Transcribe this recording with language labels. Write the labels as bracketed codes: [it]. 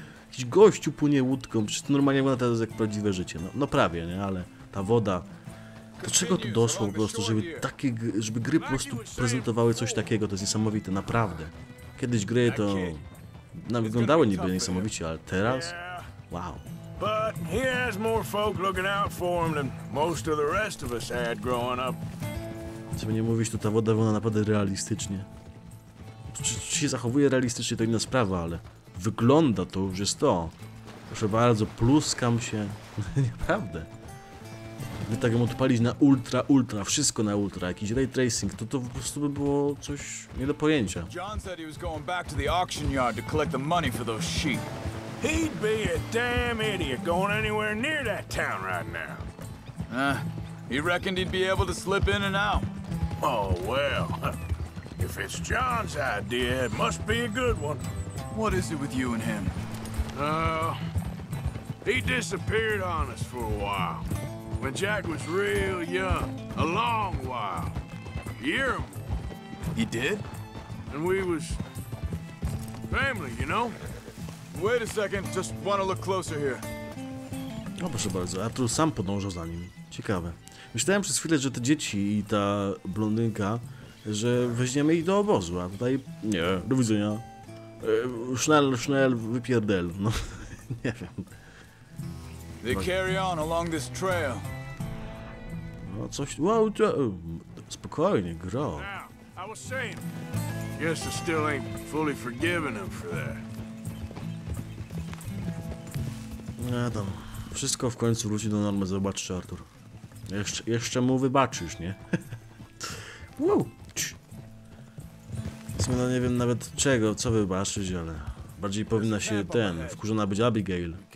[pl] Jakiś gościu płynie łódką. Przecież to normalnie wygląda teraz jak prawdziwe życie. No, no prawie, nie? Ale ta woda... Do czego to doszło po prostu, żeby takie, żeby gry po prostu prezentowały coś takiego? To jest niesamowite, naprawdę. Kiedyś gry to... No, wyglądały niby niesamowicie, ale teraz? Wow. [en] But he has more folk looking out for him than most of the rest of us had growing up. [pl] Co by nie mówić, to ta woda wygląda naprawdę realistycznie. Czy się zachowuje realistycznie, to inna sprawa, ale wygląda to już jest to. Proszę bardzo, pluskam się. Naprawdę. By tak ją odpalić na ultra, ultra, wszystko na ultra, jakiś ray tracing, to po prostu by było coś nie do pojęcia. [en] John said he was going back to the auction yard to collect the money for those sheep. He'd be a damn idiot going anywhere near that town right now. He reckoned he'd be able to slip in and out. Oh, well, if it's John's idea, it must be a good one. What is it with you and him? He disappeared on us for a while. When Jack was real young, a long while, a year or more. He did? And we was family, you know? Wait a second, just wanna look closer here. [pl] No proszę bardzo, Arthur sam podążał za nim. Ciekawe. Myślałem przez chwilę, że te dzieci i ta blondynka, że weźmiemy ich do obozu, a tutaj... Nie, do widzenia. Schnell, wypierdel. No, nie wiem. [en] They carry on along this trail. [pl] No coś... Wow, spokojnie, gro. [en] Now, I was saying, guess I still ain't fully forgiven him for that. [pl] No tam. Wszystko w końcu wróci do normy, zobaczysz, Arthur. Jeszcze mu wybaczysz, nie? Zmiana nie wiem nawet czego, co wybaczyć, ale... Bardziej powinna się ten, wkurzona być Abigail.